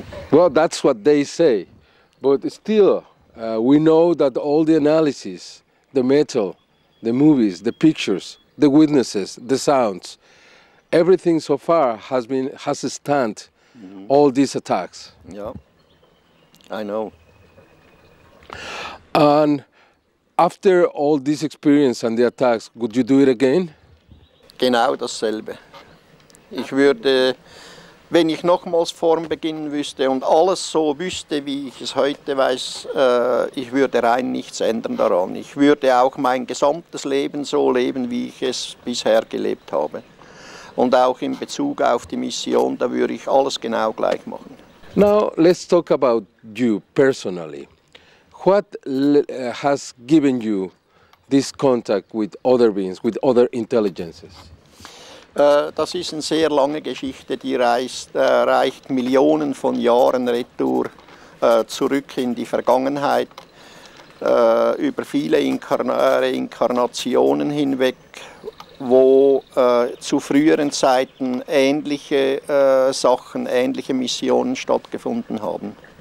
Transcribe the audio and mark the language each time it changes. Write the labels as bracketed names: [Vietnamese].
[English] Well, that's what they say. But still, we know that all the analysis, the metal, the movies, the pictures, the witnesses, the sounds, everything so far has stand all these attacks. Yeah, I know. And after all this experience and the attacks, would you do it again? [German] Genau dasselbe. Ich würde, wenn ich nochmals vorn beginnen wüsste und alles so wüsste, wie ich es heute weiß, ich würde rein nichts ändern daran. Ich würde auch mein gesamtes Leben so leben, wie ich es bisher gelebt habe. Und auch in Bezug auf die Mission, da würde ich alles genau gleich machen. [English] Now, let's talk about you personally. What has given you this contact with other beings, with other intelligences? [German] Das ist eine sehr lange Geschichte, die reicht Millionen von Jahren retour zurück in die Vergangenheit. Über viele Reinkarnationen hinweg, wo zu früheren Zeiten ähnliche Sachen, ähnliche Missionen stattgefunden haben.